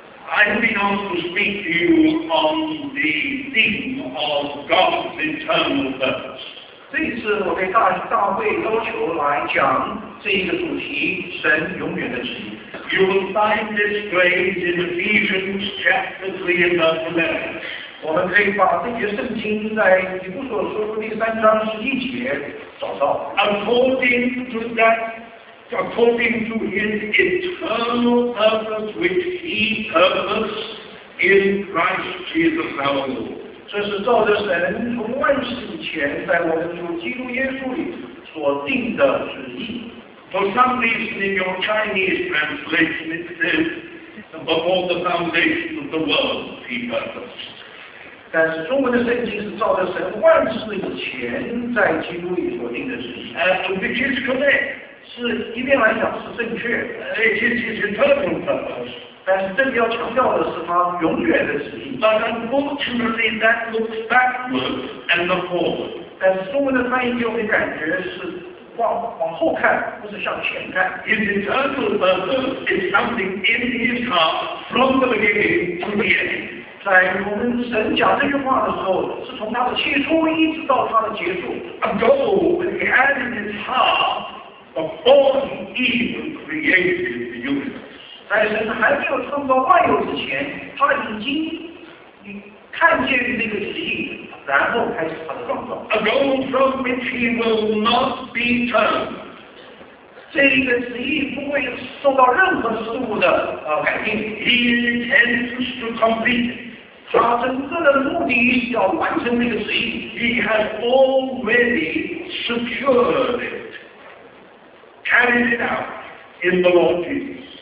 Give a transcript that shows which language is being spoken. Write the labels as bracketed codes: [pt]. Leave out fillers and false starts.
[en] I've been asked to speak to you on the theme of God's eternal purpose. [zh] 这次我被大会要求来讲这一个主题，神永远的旨意。 [en] You will find this phrase in Ephesians chapter 3 and verse 11. [zh] 我们可以把这些圣经在以弗所书第三章十一节找到。 [en] According to his eternal purpose which he purposed in Christ Jesus our Lord. [zh] 这是照着神从万世以前在我们主基督耶稣里所定的旨意。 [en] For some reason in your Chinese translation it says, before the foundation of the world he purposed. [zh] 但是中文的圣经是照着神万事以前在基督里所定的旨意。 [en] Which is correct. [zh] 是一面来讲是正确。 [en] It is eternal purpose. [zh] 但是这里要强调的是他永远的旨意。 [en] But unfortunately that looks backwards and the forward. [zh] 但是中文的翻译给我的感觉是往后看，不是向前看。 [en] His eternal purpose is something in his heart from the beginning to the end. [zh] 在我们神讲这句话的时候，是从他的起初一直到他的结束。 [en] A goal he had in his heart before he even created the universe. [zh] 在神还没有创造万有之前，他已经看见那个旨意，然后开始他的创造。 [en] A goal from which he will not be turned. [zh] 这一个旨意不会受到任何事物的改变。 [en] He intends to complete. [zh] 他整个的目的要完成这个旨意。 [en] He has already secured it, carried it out in the Lord Jesus.